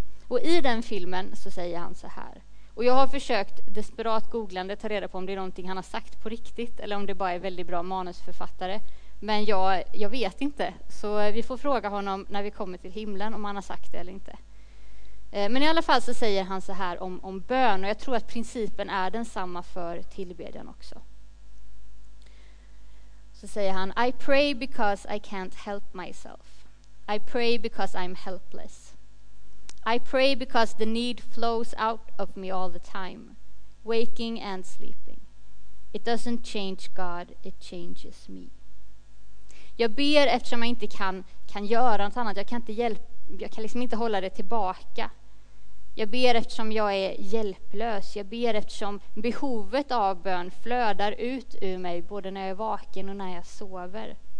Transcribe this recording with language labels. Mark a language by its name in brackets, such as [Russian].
[Swedish] Och i den filmen så säger han så här. Och jag har försökt desperat googlande ta reda på om det är någonting han har sagt på riktigt eller om det bara är väldigt bra manusförfattare. Men jag vet inte, så vi får fråga honom när vi kommer till himlen om han har sagt det eller inte. Men i alla fall så säger han så här om bön, och jag tror att principen är densamma för tillbedjan också. [English] Så säger han: I pray because I can't help myself. I pray because I'm helpless. I pray because the need flows out of me all the time, waking and sleeping. It doesn't change God, it changes me. [Swedish] Jag ber eftersom jag inte kan göra något annat. Jag kan inte hjälpa. Jag kan liksom inte hålla det tillbaka. Jag ber eftersom jag är hjälplös. Jag ber eftersom behovet av bön flödar ut ur mig både när jag är vaken och när jag sover.